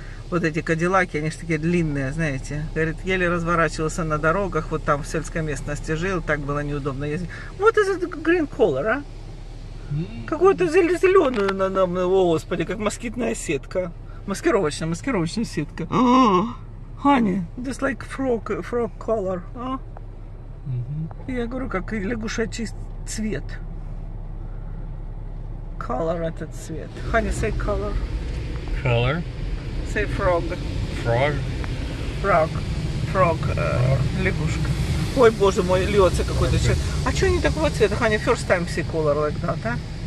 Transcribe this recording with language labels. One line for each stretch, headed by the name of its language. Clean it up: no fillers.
Russian: Вот эти кадиллаки, они же такие длинные, знаете. Говорит, еле разворачивался на дорогах, вот там в сельской местности жил, так было неудобно ездить. Вот этот
English: green color,
Russian: а? Какую-то зеленую, о, господи, как москитная сетка. Маскировочная, маскировочная сетка.
English: Honey, just like frog color, а?
Russian: Я говорю, как лягушачий цвет. Color этот цвет.
English: Honey, say color. Color? Say frog. Frog? Frog. Frog. Лягушка.
Russian: Ой, боже мой, льется какой-то цвет. А что они такого цвета?
English: Honey, first time see color like that, а?